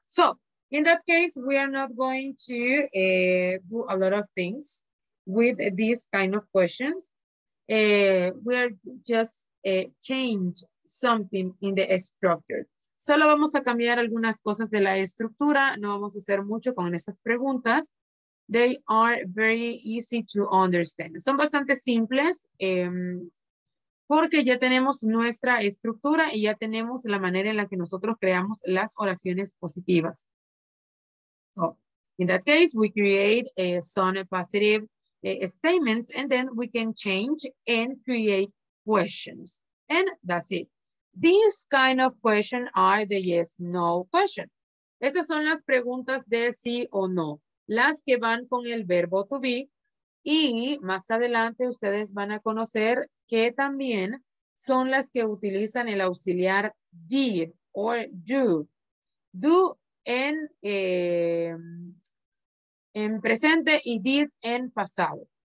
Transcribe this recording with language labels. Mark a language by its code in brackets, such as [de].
[en] So, in that case, we are not going to do a lot of things with these kind of questions. We are just change something in the structure. [es] Solo vamos a cambiar algunas cosas de la estructura. No vamos a hacer mucho con esas preguntas. [en] They are very easy to understand. [es] Son bastante simples porque ya tenemos nuestra estructura y ya tenemos la manera en la que nosotros creamos las oraciones positivas. [en] So, in that case, we create some positive statements and then we can change and create questions. And that's it. These kind of questions are the yes, no question. [es] Estas son las preguntas de sí o no. Las que van con el verbo to be. Y más adelante ustedes van a conocer que también son las que utilizan el auxiliar did or do. Do en presente y did en pasado.